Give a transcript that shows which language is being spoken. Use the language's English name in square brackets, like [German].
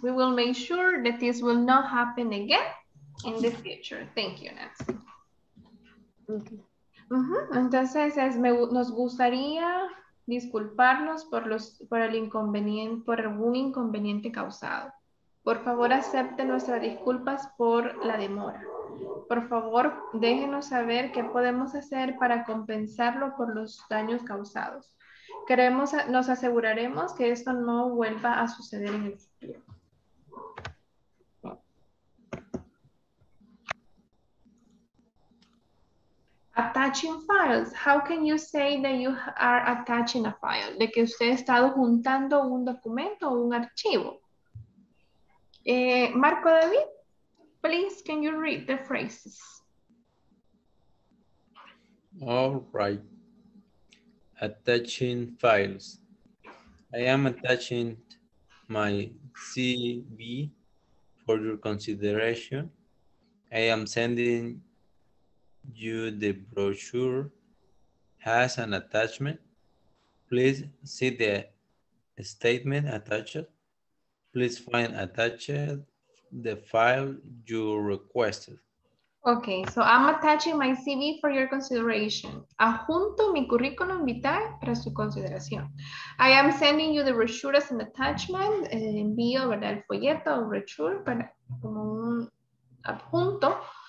[English] We will make sure that this will not happen again in the future. Thank you, Nancy. Okay. Uh-huh. [Spanish] Entonces, nos gustaría disculparnos por algún inconveniente causado. Por favor, acepte nuestras disculpas por la demora. Por favor, déjenos saber qué podemos hacer para compensarlo por los daños causados. Nos aseguraremos que esto no vuelva a suceder en el futuro. [English] Attaching files. How can you say that you are attaching a file? [Spanish] De que usted ha estado juntando un documento o un archivo. [English] Marco David, please, can you read the phrases? All right. Attaching files. I am attaching my CV for your consideration. I am sending you the brochure has an attachment. Please see the statement attached. Please find attached the file you requested. Okay, so I'm attaching my CV for your consideration. [Spanish] Ajunto mi currículum vitae para su consideración. [English] I am sending you the brochure as an attachment. [Spanish] Envío, ¿verdad? El folleto o brochure para como un adjunto.